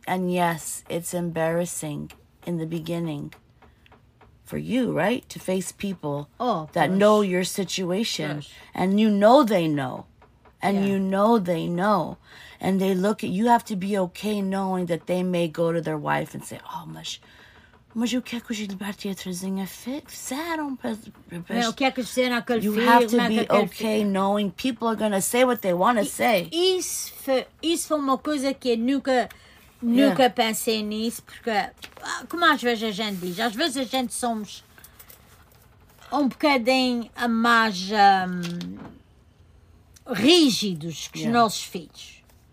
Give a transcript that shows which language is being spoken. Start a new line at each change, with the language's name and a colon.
English: And yes, it's embarrassing. In the beginning, for you, right? To face people that know your situation. And you know they know. And you know they know. And they look at you, have to be okay knowing that they may go to their wife and say,
Portuguese: Mas o que é que o Gilberto e a Teresinha fizeram? O que é que fizeram àquele filho?
English: You have to be okay knowing people are going to say what they want to say.
Portuguese: Isso foi uma coisa que eu nunca pensei nisso, porque, como às vezes a gente diz, às vezes a gente somos um bocadinho mais rígidos que os nossos filhos.